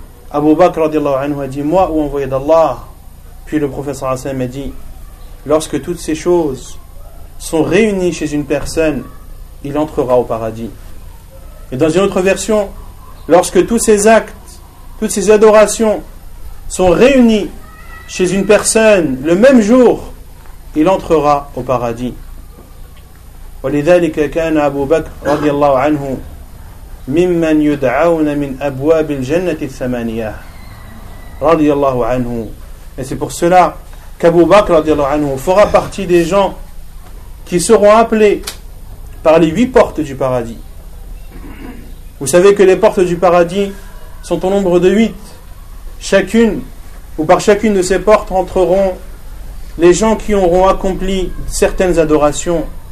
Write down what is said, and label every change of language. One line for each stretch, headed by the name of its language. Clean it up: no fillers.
French: Abu Bakr radiallahu anhu a dit: moi, ou envoyé d'Allah. Puis le prophète sallallahu alayhi wa sallam a dit: lorsque toutes ces choses sont réunies chez une personne, il entrera au paradis. Et dans une autre version, lorsque tous ces actes, toutes ces adorations sont réunies chez une personne le même jour, il entrera au paradis.
Arabic: ولذلك كان أبو بكر رضي الله عنه ممن يدعون من أبواب الجنة الثمانية رضي الله عنه.
French: Et c'est pour cela qu'Abu Bakr رضي الله عنه fera partie des gens qui seront appelés par les huit portes du paradis. Vous savez que les portes du paradis sont au nombre de huit. Chacune ou par chacune de ces portes entreront les gens qui auront accompli certaines adorations.